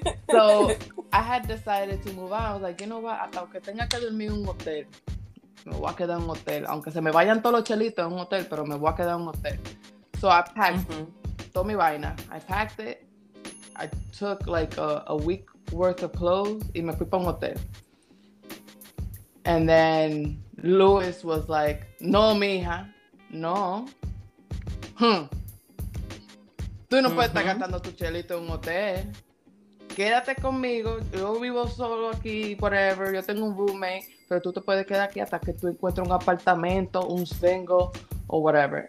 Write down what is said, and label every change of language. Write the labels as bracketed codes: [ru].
[en] So I had decided to move out. I was like, you know what? [es] Hasta que tenga que dormir un hotel, me voy a quedar en un hotel. Aunque se me vayan todos los chelitos en un hotel, pero me voy a quedar en un hotel. [en] So I packed [es] toda mi vaina. [en] I packed it. I took like a week worth of clothes [es] y me fui para un hotel. [en] And then Louis was like, no, mija, no. [es] Tú no puedes estar gastando tu chelito en un hotel. Quédate conmigo. Yo vivo solo aquí, [en] whatever. [es] Yo tengo un roommate. Pero tú te puedes quedar aquí hasta que tú encuentres un apartamento, un single, [en] or whatever.